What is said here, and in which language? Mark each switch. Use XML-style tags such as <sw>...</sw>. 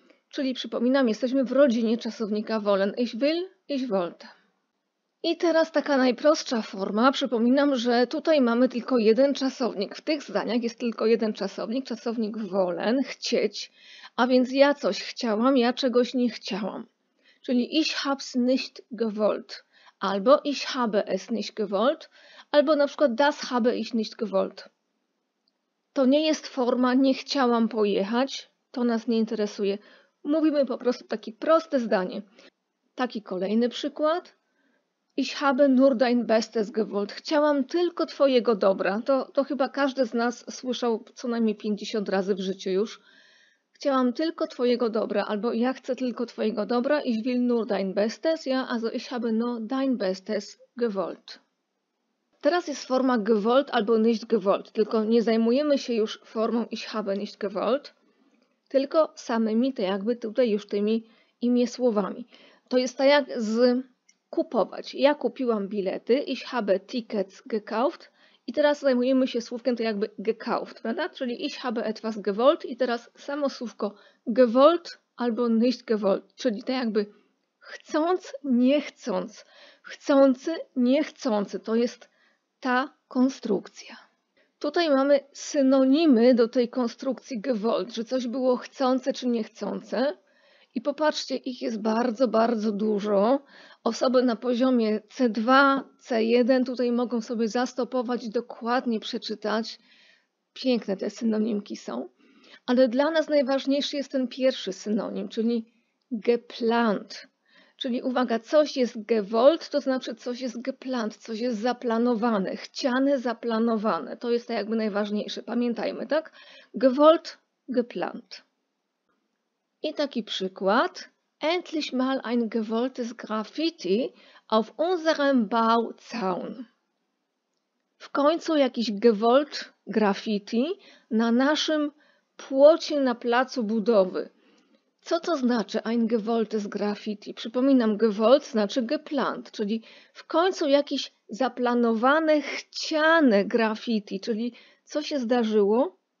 <pl>Czyli przypominam, jesteśmy w rodzinie czasownika wollen.</pl> <de>Ich will, ich wollte.</de> <pl>I teraz taka najprostsza forma. Przypominam, że tutaj mamy tylko jeden czasownik. W tych zdaniach jest tylko jeden czasownik. Czasownik wollen, chcieć. A więc ja coś chciałam, ja czegoś nie chciałam. Czyli</pl> <de>ich hab's nicht gewollt.</de> <pl>Albo</pl> <de>ich habe es nicht gewollt.</de> <pl>Albo na przykład</pl> <de>das habe ich nicht gewollt.</de> <pl>To nie jest forma nie chciałam pojechać. To nas nie interesuje. Mówimy po prostu takie proste zdanie. Taki kolejny przykład.</pl> <de>Ich habe nur dein Bestes gewollt.</de> <pl>Chciałam tylko twojego dobra. To chyba każdy z nas słyszał co najmniej 50 razy w życiu już. Chciałam tylko twojego dobra. Albo ja chcę tylko twojego dobra.</pl> <de>Ich will nur dein Bestes. Ja, also ich habe nur dein Bestes gewollt.</de> <pl>Teraz jest forma gewollt albo nicht gewollt. Tylko nie zajmujemy się już formą</pl> <de>ich habe nicht gewollt.</de> <pl>Tylko samymi, to jakby tutaj już tymi imię słowami. To jest tak jak z kupować. Ja kupiłam bilety,</pl> <de>ich habe tickets gekauft.</de> <pl>I teraz zajmujemy się słówkiem to jakby gekauft, prawda? Czyli</pl> <de>ich habe etwas gewollt.</de> <pl>I teraz samo słówko gewollt albo nicht gewollt. Czyli tak jakby chcąc, nie chcąc. Chcący, nie chcący. To jest ta konstrukcja. Tutaj mamy synonimy do tej konstrukcji gewollt, że coś było chcące czy niechcące. I popatrzcie, ich jest bardzo, bardzo dużo. Osoby na poziomie C2, C1 tutaj mogą sobie zastopować i dokładnie przeczytać. Piękne te synonimki są. Ale dla nas najważniejszy jest ten pierwszy synonim, czyli geplant. Czyli uwaga, coś jest gewollt, to znaczy coś jest geplant, coś jest zaplanowane, chciane, zaplanowane. To jest tak jakby najważniejsze. Pamiętajmy, tak? Gewollt, geplant. I taki przykład.</pl> <de>Endlich mal ein gewolltes Graffiti auf unserem Bauzaun.</de> <pl>W końcu jakiś gewollt graffiti na naszym płocie na placu budowy. Co to znaczy</pl> <de>ein gewolltes Graffiti?</de> <pl>Przypominam, gewollt znaczy geplant, czyli w końcu jakieś zaplanowane, chciane graffiti, czyli co się zdarzyło?</pl>